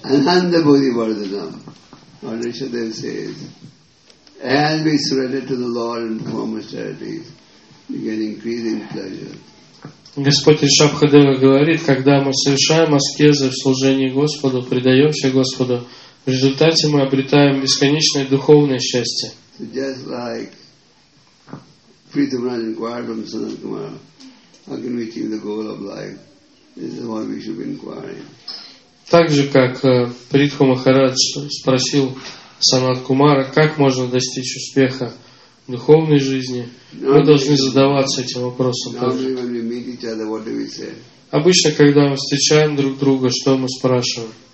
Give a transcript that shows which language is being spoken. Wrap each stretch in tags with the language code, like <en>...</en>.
<sa>Ананда Бодхи Вардханам,</sa> <en>Lord Rishadeva says, as we surrender to the Lord in formal charities, we get increasing pleasure.</en> <ru>Господь Ришабхадева говорит, когда мы совершаем аскезы в служении Господу, предаемся Господу, в результате мы обретаем бесконечное духовное счастье.</ru> <en>So just like Prithu Maharaj inquired from Sanat Kumar, How can we achieve the goal of life? This is what we should be inquiring.</en> <ru>Так же, как Паритху Махарадж спросил Санат Кумара, как можно достичь успеха в духовной жизни, мы должны задаваться этим вопросом. Обычно, когда мы встречаем друг друга, что мы спрашиваем?</ru>